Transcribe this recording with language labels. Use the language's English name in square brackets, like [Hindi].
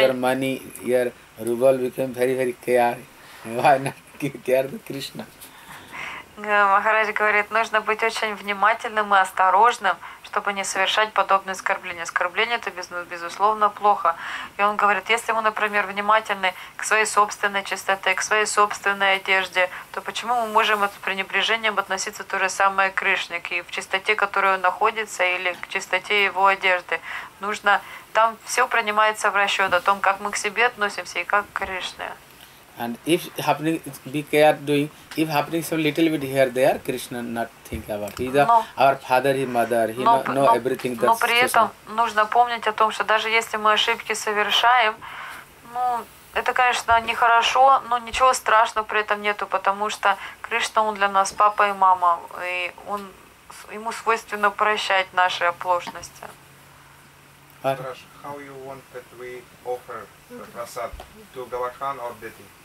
[English] Your money, your rubble became very, very care. Why not give care to Krishna? [Russian] Махарадж говорит, нужно быть очень внимательным и осторожным, чтобы не совершать подобные оскорбления. Оскорбление – это, безусловно, плохо. И он говорит, если мы, например, внимательны к своей собственной чистоте, к своей собственной одежде, то почему мы можем с пренебрежением относиться то же самое к Кришне, и в чистоте, в которой он находится, или к чистоте его одежды? Нужно... Там все принимается в расчет о том, как мы к себе относимся и как к Кришне. [English] And if happening, be care doing, if happening some little bit here, there, Krishna not think about. He's our father, his mother, he know everything that's [Russian] Но при этом нужно помнить о том, что даже если мы ошибки совершаем, ну, это, конечно, нехорошо, но ничего страшного при этом нету, потому что Кришна, он для нас папа и мама, и он, ему свойственно прощать наши оплошности. [English] How you want that we offer prasad to Govardhan or Deti?